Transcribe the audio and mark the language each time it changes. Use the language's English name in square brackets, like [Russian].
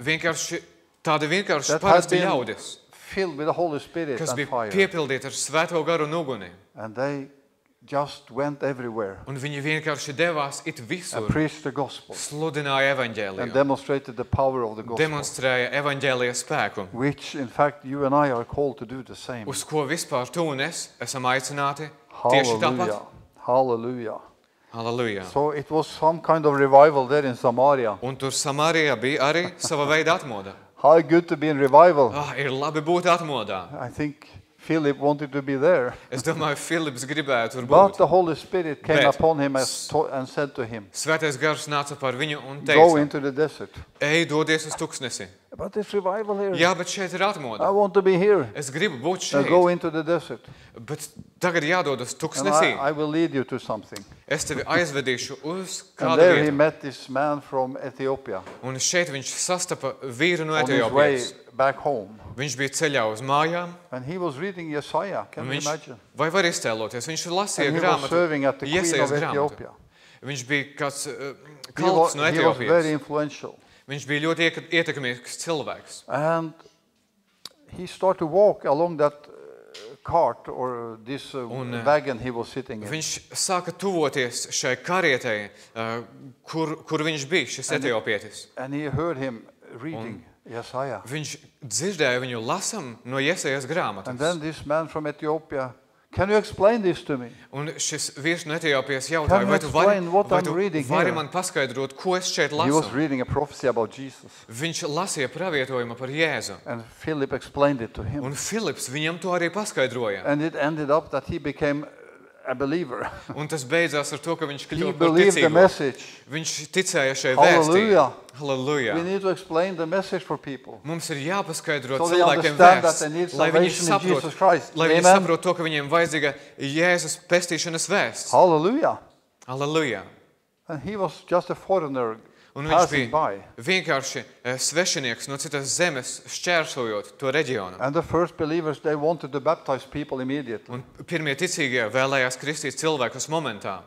[Latvian] Vienkārši tādi vienkārši parasti ļaudis. [English] Filled with the Holy Spirit [Latvian] kas [English] and [Latvian] bija [English] fire. [Latvian] Piepildīti ar Svēto Garu un uguni. [English] And they just went everywhere. [Latvian] Un viņi vienkārši devās it visur. [English] And preached the gospel. [Latvian] Sludināja evaņģēliju. [English] And demonstrated the power of the gospel. [Latvian] Demonstrēja evaņģēlija spēku. [English] Which in fact you and I are called to do the same. [Latvian] Uz ko vispār tu un es esam aicināti [English] Hallelujah. [Latvian] Tieši tāpat. [English] Hallelujah. [Latvian] Hallelujah. [English] So it was some kind of revival there in Samaria. [Latvian] Un tur Samārijā bija arī sava veida atmoda. [English] How good to be in revival. [Latvian] Ir labi būt atmodā. [English] I think Philip wanted to be there. [Latvian] Es domāju, Philips gribētu būt. [English] But the Holy Spirit came upon him and said to him. [Latvian] Svētais Gars nāca par viņu un teica: [English] Go into the desert. [Latvian] Ej, dodies uz tuksnesi. [English] But this revival here. [Latvian] Jā, bet šeit ir atmoda. [English] I want to be here. [Latvian] Es gribu būt šeit. [English] Go into the desert. [Latvian] Bet tagad jādodas tuksnesī. [English] And I will lead you to something. [Latvian] Es tevi aizvedīšu uz kādu vietu. [English] There he met this man from Ethiopia. [Latvian] Un šeit viņš sastapa vīru no Etiopijas. [English] On his way back home. [Latvian] Viņš bija ceļā uz mājām. [English] And he was reading Jesaja. Can [Latvian] viņš, [English] you imagine? [Latvian] Vai var iztēloties? Viņš lasīja grāmatu. Jesajas grāmatu. Viņš bija kāds kalps no Etiopijas. [English] He was very influential. [Latvian] Viņš bija ļoti ietekmīgs cilvēks. [English] And he started to walk along that cart or this wagon he was sitting in. [Latvian] Viņš sāka tuvoties šai karietei, kur viņš bija, šis etiopietis. [English] And he heard him reading Jesaja. [Latvian] Viņš dzirdēja viņu lasam no Jesajas grāmatas. [English] And then this man from Ethiopia, can you explain this to me? [Latvian] Un šis vīrs no Etiopijas jautāja, vai tu vari man paskaidrot, ko es šeit lasu? [English] He was reading a prophecy about Jesus. [Latvian] Viņš lasīja pravietojumu par Jēzu. [English] And Philip explained it to him. [Latvian] Un Philips viņam to arī paskaidroja. [English] And it ended up that he became a believer. [Latvian] Un tas beidzās ar to, ka viņš kļuva par ticīgu. [English] He believed the message. [Latvian] Viņš ticēja šai vēstī. [English] Hallelujah. [Latvian] Hallelujah. [English] We need to explain the message for people. [Latvian] Mums ir jāpaskaidro so cilvēkiem vēsts, lai viņi saprot to, ka viņiem vajadzīga Jēzus pestīšanas vēsts. [English] Hallelujah. [Latvian] Hallelujah. [English] And he was just a foreigner. [Latvian] Un viņš [English] passing by. [Latvian] Vienkārši svešinieks no citas zemes šķērsojot to reģionu. [English] And the first believers, they wanted to baptize people immediately. [Latvian] Un pirmie ticīgie vēlējās kristīt cilvēkus momentā.